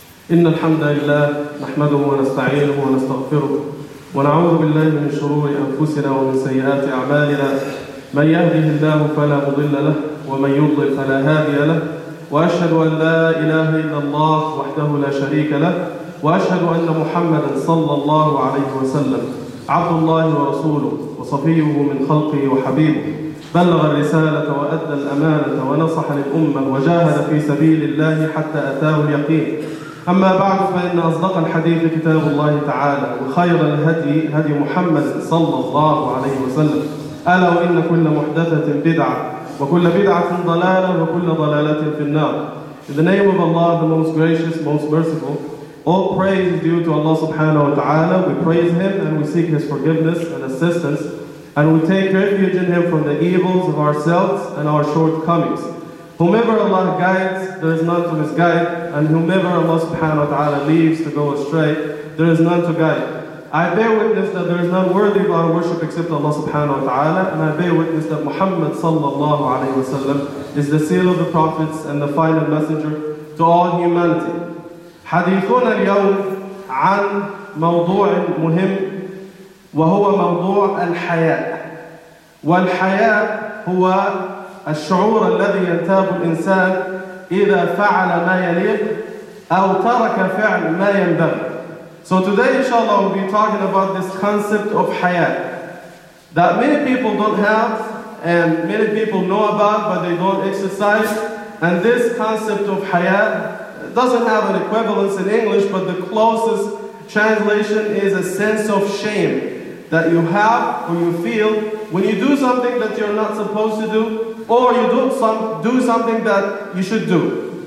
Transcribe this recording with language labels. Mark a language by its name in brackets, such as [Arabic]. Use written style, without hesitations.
[Arabic] إن الحمد لله نحمده ونستعينه ونستغفره ونعوذ بالله من شرور أنفسنا ومن سيئات أعمالنا من يهده الله فلا مضل له ومن يضلل فلا هادي له وأشهد أن لا إله إلا الله وحده لا شريك له وأشهد أن محمدا صلى الله عليه وسلم عبد الله ورسوله وصفيه من خلقه وحبيبه بلغ الرسالة وأدى الأمانة ونصح للأمة وجاهد في سبيل الله حتى أتاه اليقين أما بعد فإن أصدق الحديث كتاب الله تعالى وخير الهدي هدي محمد صلى الله عليه وسلم ألا وإن كل محدثة بدعة وكل بدعة ضلالة وكل ضلالة في النار. [English] In the name of Allah, the most gracious, most merciful, all praise is due to Allah subhanahu wa ta'ala. We praise Him and we seek His forgiveness and assistance and we take refuge in Him from the evils of ourselves and our shortcomings. Whomever Allah guides, there is none to misguide, and whomever Allah subhanahu wa ta'ala leaves to go astray, there is none to guide. I bear witness that there is none worthy of our worship except Allah subhanahu wa ta'ala, and I bear witness that Muhammad sallallahu alayhi wa sallam is the seal of the prophets and the final messenger to all humanity. [Arabic] حديثنا اليوم عن موضوع مهم وهو موضوع الحياء والحياء هو الشعور الذي ينتاب الإنسان إذا فعل ما يليق أو ترك فعل ما ينبغي. [English] So today inshallah we'll be talking about this concept of haya that many people don't have and many people know about but they don't exercise. And this concept of haya doesn't have an equivalence in English, but the closest translation is a sense of shame that you have or you feel when you do something that you're not supposed to do or you do something that you should do.